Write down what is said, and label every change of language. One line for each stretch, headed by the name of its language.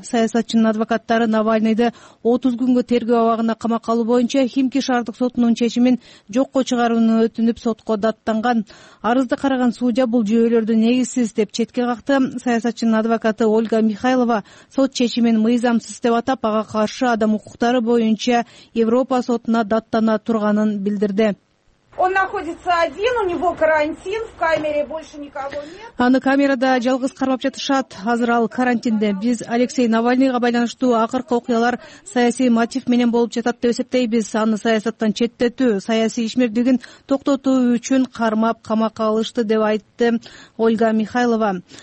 Kyrgyz: Саясатчынын адвокаттары Навальныйды 30 күнгө тергөө абагына камакка алуу боюнча Химки шаардык сотунун чечимин жокко чыгарууну өтүнүп сотко даттанган. Арызды караган судья бул жүйөлөрдү негизсиз деп четке какты. Саясатчынын адвокаты Ольга Михайлова сот чечимин мыйзамсыз деп атап, ага каршы адам укуктары боюнча Европа сотуна даттана турганын билдирди.
Russian: Он находится один, у него карантин, в камере больше никого нет.
Kyrgyz: Аны камерада жалгыз кармап жатышат. Азыр ал карантинде. Биз Алексей Навальныйга байланыштуу акыркы окуялар саясий мотив менен болуп жатат деп эсептейбиз. Аны саясаттан четтетүү, саясий ишмердигин токтотуу үчүн кармап камакка алышты деп айтты Ольга Михайлова.